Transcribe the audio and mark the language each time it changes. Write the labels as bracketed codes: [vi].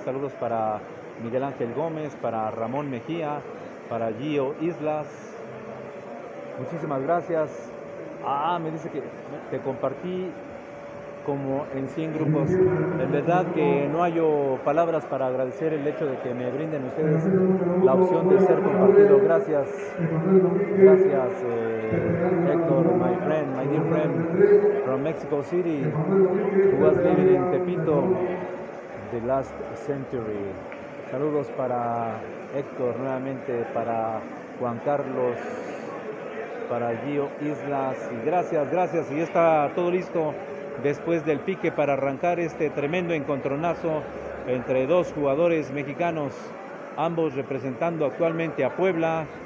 [es] Saludos para Miguel Ángel Gómez, para Ramón Mejía, para Gio Islas. Muchísimas gracias. Ah, me dice que te compartí como en 100 grupos. En verdad que no hallo palabras para agradecer el hecho de que me brinden ustedes la opción de ser compartido. Gracias. Gracias, [en] Héctor, my friend, my dear friend from Mexico City, who was living in Tepito the last century. [es] Saludos para Héctor nuevamente, para Juan Carlos, para Gio Islas. Y gracias, gracias. Y ya está todo listo después del pique para arrancar este tremendo encontronazo entre dos jugadores mexicanos, ambos representando actualmente a Puebla.